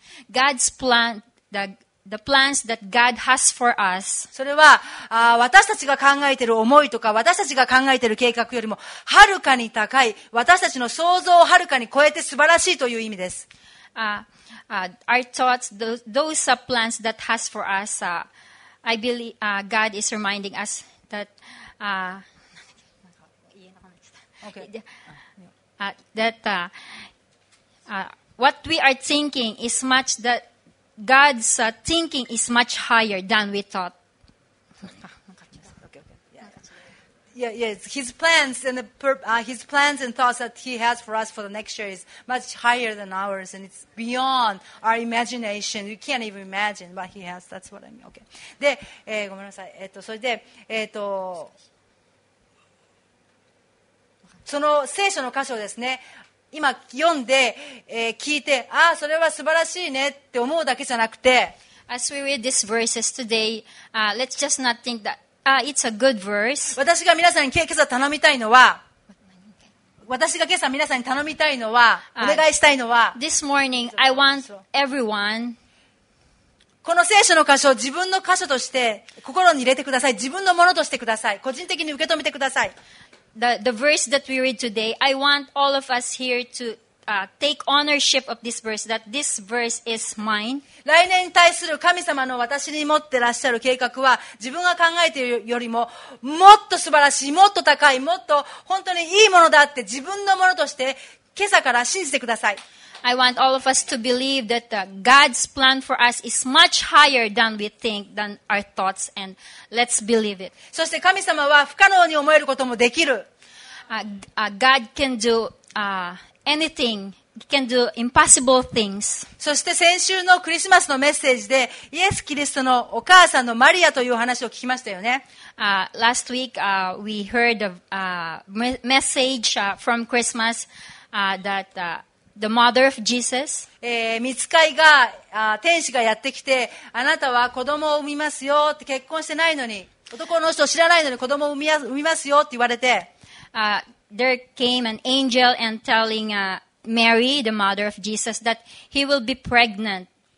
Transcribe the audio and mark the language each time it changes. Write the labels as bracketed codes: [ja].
[en] God's plan, the plans that God has for us. [ja] それは、私たちが考えている思いとか、私たちが考えている計画よりも、はるかに高い、私たちの想像をはるかに超えて素晴らしいという意味です。 [en] Our thoughts, those are plans that has for us, I believe, God is reminding us that, that, what we are thinking is much that, God's thinking is much higher than we thought. Yeah, his plans and his plans and thoughts that he has for us for the next year is much higher than ours, and it's beyond our imagination. You can't even imagine what he has. That's what I mean. Okay. [ja] で、ごめんなさい。それで、その聖書の箇所ですね。今読んで、聞いて、ああ、それは素晴らしいねって思うだけじゃなくて、 [en] As we read these verses today, let's just not think that. It's a good verse. [ja] 私が皆さんに今朝頼みたいのは、私が今朝皆さんに頼みたいのは、お願いしたいのは、 [en] This morning, I want everyone. [ja] この聖書の箇所を自分の箇所として心に入れてください。自分のものとしてください。個人的に受け止めてください。 [en] The verse that we read today, I want all of us here to take ownership of this verse, that this verse is mine. [ja] 来年に対する神様の私に持ってらっしゃる計画は自分が考えているよりももっと素晴らしい、もっと高い、もっと本当にいいものだって自分のものとして今朝から信じてください。 [en] I want all of us to believe that God's plan for us is much higher than we think, than our thoughts, and let's believe it. [ja] そして神様は不可能に思えることもできる。 [en] God can do anything, he can do impossible things. [ja] そして先週のクリスマスのメッセージでイエス・キリストのお母さんのマリアという話を聞きましたよね。 [en] Last week, we heard a message from Christmas that the mother of Jesus. [ja] 御使いが、天使がやってきて、あなたは子供を産みますよって結婚してないのに、男の人を知らないのに子供を産みますよって言われて、 [en] There came an angel and telling Mary, the mother of Jesus, that he will be pregnant.